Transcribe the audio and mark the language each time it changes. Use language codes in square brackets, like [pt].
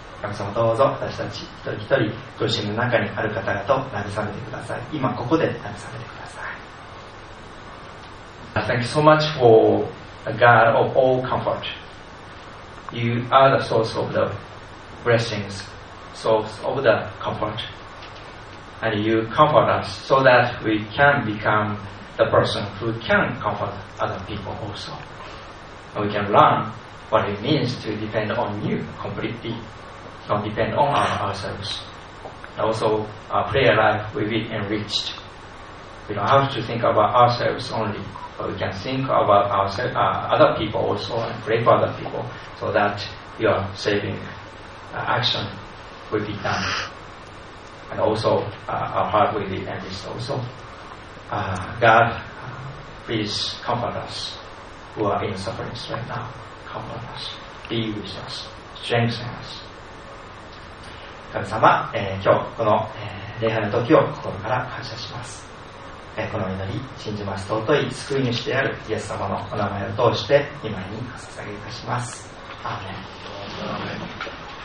[ja] 神様、どうぞ私たち一人一人苦しみの中にある方々を慰めてください。今ここで慰めてください。 [en] Thank you so much for a God of all comfort. You are the source of the blessings, source of the comfort. And you comfort us so that we can become the person who can comfort other people also. And we can learn what it means to depend on you completely, not depend on ourselves. And also, our prayer life will be enriched. We don't have to think about ourselves only. We can think about other people also and pray for other people so that your saving action will be done. And also our heart will be enriched also. God, please comfort us who are in sufferings right now. Comfort us. Be with us. Strengthen us. [ja] 神様、今日この、礼拝の時を心から感謝します。この祈り、信じます尊い救い主であるイエス様のお名前を通して御前に捧げいたします。アーメン。